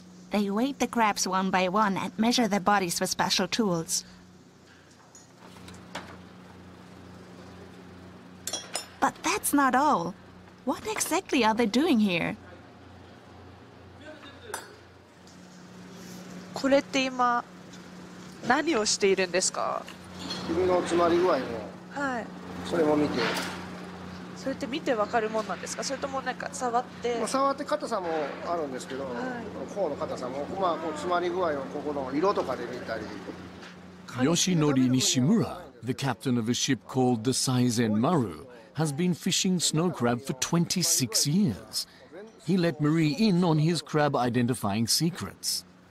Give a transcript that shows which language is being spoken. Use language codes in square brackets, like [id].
[en] They weight the crabs one by one and measure their bodies with special tools. But that's not all. What exactly are they doing here? [ja] これって今何をしているんですか。君の詰まり具合も。はい。それも見て。それって見てわかるもんなんですか。それともなんか触って。まあ、触って硬さもあるんですけど、はい、甲の硬さも、まあ、こう詰まり具合をここの色とかで見たり。 [en] 吉野里西村、the captain of a ship called the Saizen Maru, has been fishing snow crab for 26 years. He let Marie in on his crab identifying secrets.